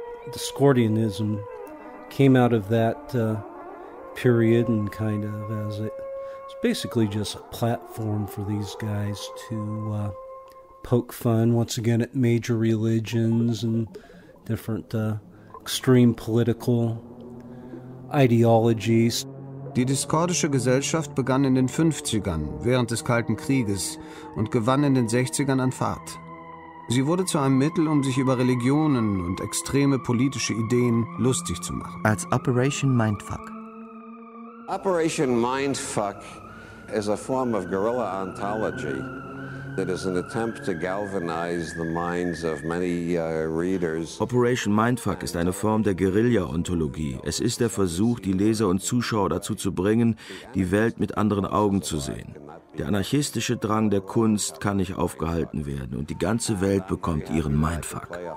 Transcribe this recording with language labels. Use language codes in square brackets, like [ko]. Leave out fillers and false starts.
[en] Discordianism came out of that period and kind of as it, it's basically just a platform for these guys to poke fun once again at major religions and different extreme political ideologies. [de] Die diskordische Gesellschaft begann in den 50ern, während des Kalten Krieges, und gewann in den 60ern an Fahrt. Sie wurde zu einem Mittel, um sich über Religionen und extreme politische Ideen lustig zu machen. Als Operation Mindfuck. [en] Operation Mindfuck is a form of guerrilla ontology that is an attempt to galvanize the minds of many readers. [de] Operation Mindfuck ist eine Form der Guerilla-Ontologie. Es ist der Versuch, die Leser und Zuschauer dazu zu bringen, die Welt mit anderen Augen zu sehen. Der anarchistische Drang der Kunst kann nicht aufgehalten werden und die ganze Welt bekommt ihren Mindfuck.